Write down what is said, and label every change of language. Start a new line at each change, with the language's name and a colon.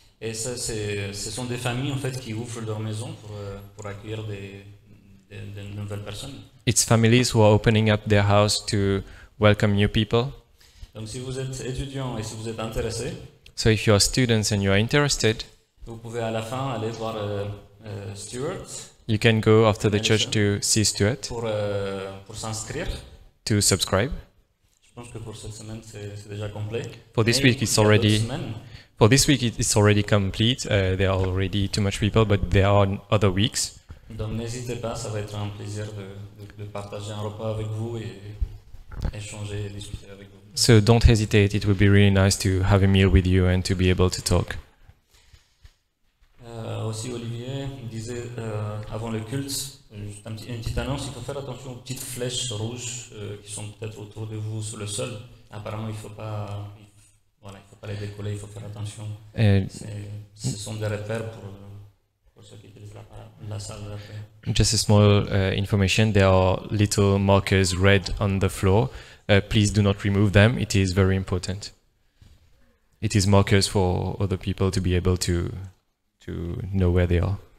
French: Et ça, ce sont des familles en fait qui ouvrent leur maison pour accueillir des nouvelles personnes.
English: It's families who are opening up their house to welcome new people.
French: Donc si vous êtes étudiant et si vous êtes intéressé.
English: So if you are students and you are interested.
French: Vous pouvez à la fin aller voir Stuart.
English: You can go after the church to see Stuart.
French: Pour s'inscrire.
English: To subscribe.
French: Je pense que pour cette semaine, c'est déjà complet.
English: For this week, it's already. For this week, it's already complete. There are already too much people, but there are other weeks.
French: Donc n'hésitez pas, ça va être un plaisir de partager un repas avec vous et échanger, discuter avec vous.
English: So don't hesitate. It would be really nice to have a meal with you and to be able to talk.
French: Aussi, Olivier disait avant le culte. Juste une petite annonce, il faut faire attention aux petites flèches rouges qui sont peut-être autour de vous sur le sol. Apparemment, il faut pas les décoller, il faut faire attention. Ce sont des repères pour ceux qui utilisent la salle d'appel.
English: Just a small information, there are little markers red on the floor. Please do not remove them, it is very important. It is markers for other people to be able to know where they are.